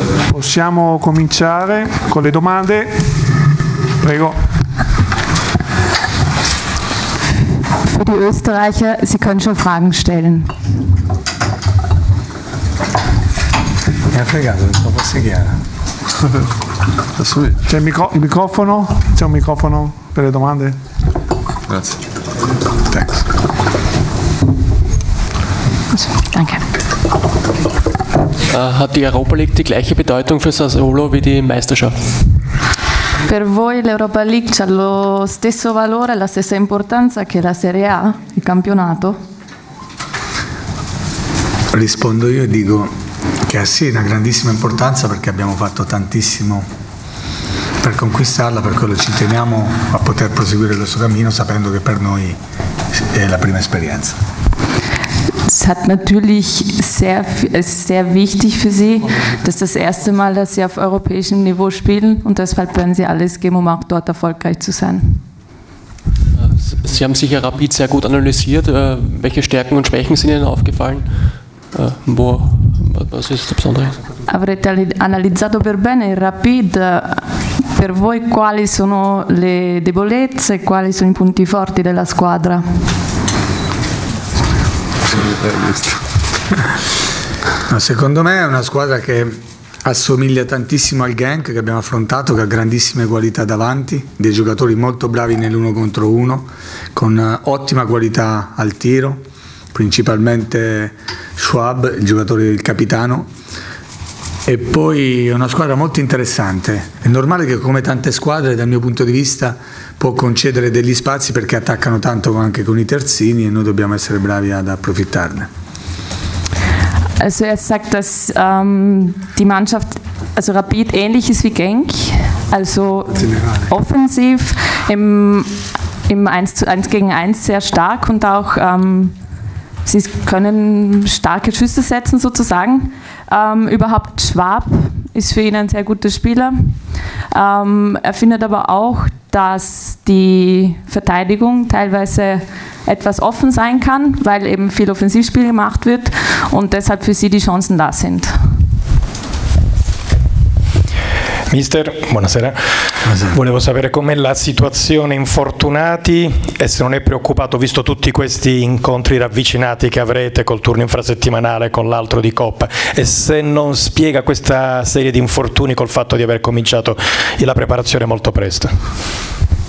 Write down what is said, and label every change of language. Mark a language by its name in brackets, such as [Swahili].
[Italian] Possiamo cominciare con le domande. Prego. [German] Für die Österreicher, Sie können schon Fragen stellen. [Italian] Ja, fregato, non so fosse chiaro. C'è il microfono? C'è un microfono per le domande? Grazie. [English] Thanks. [German] Danke. Hat die Europa League die gleiche Bedeutung für Sassuolo wie die Meisterschaft? [Italian] Per voi l'Europa League ha lo stesso valore, la stessa importanza che la Serie A, il campionato? Rispondo io e dico che ha sì una grandissima importanza perché abbiamo fatto tantissimo per conquistarla, per quello ci teniamo a poter proseguire il nostro cammino sapendo che per noi è la prima esperienza. [German] Es hat natürlich sehr, sehr wichtig für Sie, dass das erste Mal, dass Sie auf europäischem Niveau spielen und deshalb werden Sie alles geben, um auch dort erfolgreich zu sein. Sie haben sicher Rapid sehr gut analysiert. Welche Stärken und Schwächen sind Ihnen aufgefallen? Wo, was ist das Besondere? [Italian] Avrete analizzato per bene il Rapid. Per voi quali sono le debolezze e quali sono i punti forti della squadra? No, secondo me è una squadra che assomiglia tantissimo al Genk che abbiamo affrontato, che ha grandissime qualità davanti, dei giocatori molto bravi nell'uno contro uno, con ottima qualità al tiro, principalmente Schwab, il giocatore del capitano, e poi è una squadra molto interessante. È normale che come tante squadre dal mio punto di vista può concedere degli spazi perché attaccano tanto anche con i terzini e noi dobbiamo essere bravi ad approfittarne. [German] Also er sagt, dass die Mannschaft, also Rapid ähnlich ist wie Genk, also offensiv im 1-1 gegen 1 sehr stark und auch sie können starke Schüsse setzen sozusagen. Überhaupt Schwab ist für ihn ein sehr guter Spieler. Er findet aber auch, dass die Verteidigung teilweise etwas offen sein kann, weil eben viel Offensivspiel gemacht wird und deshalb für sie die Chancen da sind. [Italian] Mister, buonasera. Volevo sapere com'è la situazione infortunati e se non è preoccupato, visto tutti questi incontri ravvicinati che avrete col turno infrasettimanale con l'altro di Coppa, e se non spiega questa serie di infortuni col fatto di aver cominciato la preparazione molto presto.